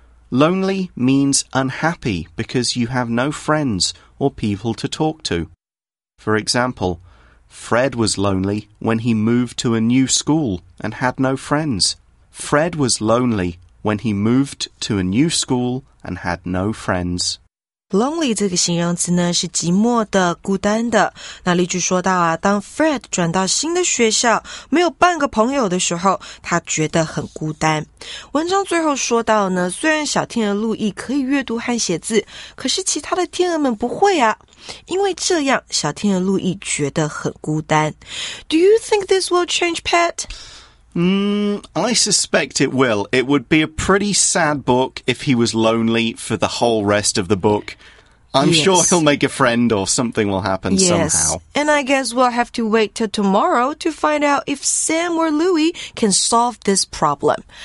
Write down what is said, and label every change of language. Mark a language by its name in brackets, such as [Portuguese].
[English] Lonely means unhappy because you have no friends or people to talk to. For example, Fred was lonely when he moved to a new school and had no friends. Fred was lonely when he moved to a new school and had no friends. [Chinese] Lonely 这个形容词呢是寂寞的、孤单的。那例句说到啊，当 Fred 转到新的学校，没有半个朋友的时候，他觉得很孤单。文章最后说到呢，虽然小天鹅路易可以阅读和写字，可是其他的天鹅们不会啊，因为这样小天鹅路易觉得很孤单。 [English] Do you think this will change, Pat? I suspect it will. It would be a pretty sad book if he was lonely for the whole rest of the book. I'm sure he'll make a friend or something will happen somehow. And I guess we'll have to wait till tomorrow to find out if Sam or Louis can solve this problem.